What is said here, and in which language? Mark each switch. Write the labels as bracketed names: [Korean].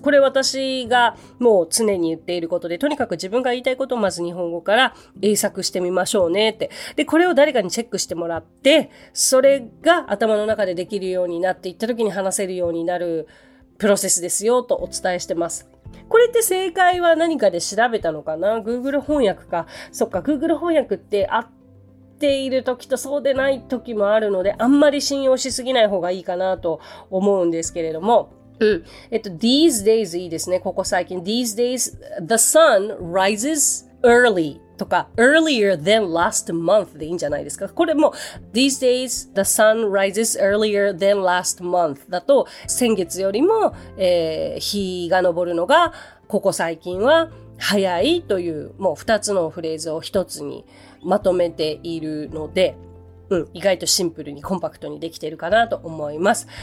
[Japanese] これ私がもう常に言っていることで、とにかく自分が言いたいことをまず日本語から英訳してみましょうねって、でこれを誰かにチェックしてもらってそれが頭の中でできるようになっていった時に話せるようになるプロセスですよとお伝えしてます。これって正解は何かで調べたのかな、 Google 翻訳か。そっか、 Google 翻訳ってあっている時とそうでない時もあるのであんまり信用しすぎない方がいいかなと思うんですけれども、うん、 [English] These days [Japanese] いいですね。ここ最近 [English] These days the sun rises early [Japanese] とか [English] earlier than last month [Japanese] でいいんじゃないですか。これも [English] These days the sun rises earlier than last month [Japanese] だと先月よりも、日が昇るのがここ最近は早いという、もう2つのフレーズを1つにまとめているので、うん、意外とシンプルにコンパクトにできているかなと思います。